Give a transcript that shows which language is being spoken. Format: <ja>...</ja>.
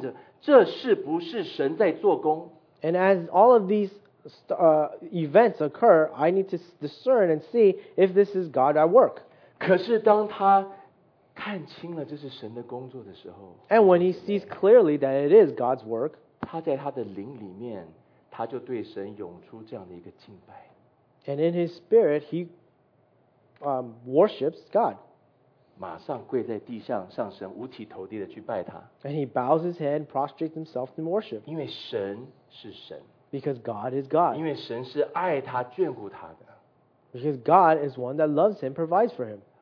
<zh>然后当事情在发生的时候，他用眼睛看着，这是不是神在做工？</zh> <en>And as all of these events occur, I need to discern and see if this is God at work.</en> <zh>可是当他看清了这是神的工作的时候，</zh> <en>And when he sees clearly that it is God's work,</en> <zh>他在他的灵里面，他就对神涌出这样的一个敬拜。</zh> <en>And in his spirit, he worships God.</en> <zh>马上跪在地上，上神五体投地的去拜他。</zh> <en>And he bows his head, prostrates himself in worship.</en> <zh>因为神是神。</zh> <en>Because God is God.</en> <zh>因为神是爱他，眷顾他的。</zh> <en>Because God is one that loves him, provides for him.</en>